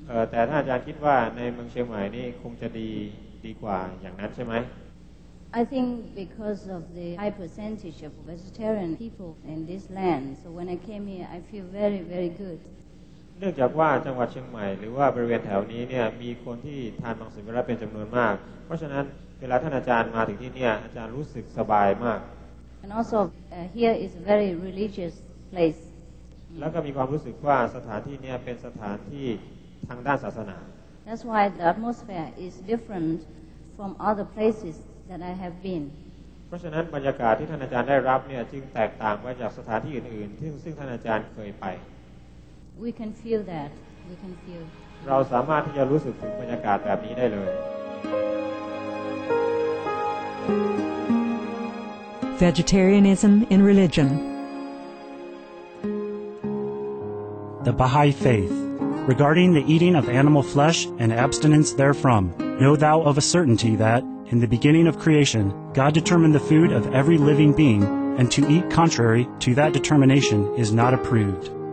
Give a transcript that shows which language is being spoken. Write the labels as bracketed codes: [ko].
[th] แต่ถ้าอาจารย์คิดว่าในเมืองเชียงใหม่นี่คงจะดีกว่าอย่างนั้นใช่ไหม [en] I think because of the high percentage of vegetarian people in this land so when I came here I feel very very good [th] เนื่องจากว่าจังหวัดเชียงใหม่หรือว่าบริเวณแถวนี้เนี่ยมีคนที่ทานมังสวิรัติเป็นจำนวนมากเพราะฉะนั้นเวลาท่านอาจารย์มาถึงที่นี่อาจารย์รู้สึกสบายมาก [en] And also here is a very religious place [th] แล้วก็มีความรู้สึกว่าสถานที่นี้เป็นสถานที่ทางด้านศาสนา [en] That's why the atmosphere is different from other places that I have been [th] เพราะฉะนั้นบรรยากาศที่ท่านอาจารย์ได้รับเนี่ยจึงแตกต่างไปจากสถานที่อื่นๆซึ่งท่านอาจารย์เคยไป [en] We can feel that. [th] เราสามารถที่จะรู้สึกถึงบรรยากาศแบบนี้ได้เลย [en] Vegetarianism in Religion The Baha'i Faith Regarding the eating of animal flesh and abstinence therefrom, know thou of a certainty that, in the beginning of creation, God determined the food of every living being, and to eat contrary to that determination is not approved.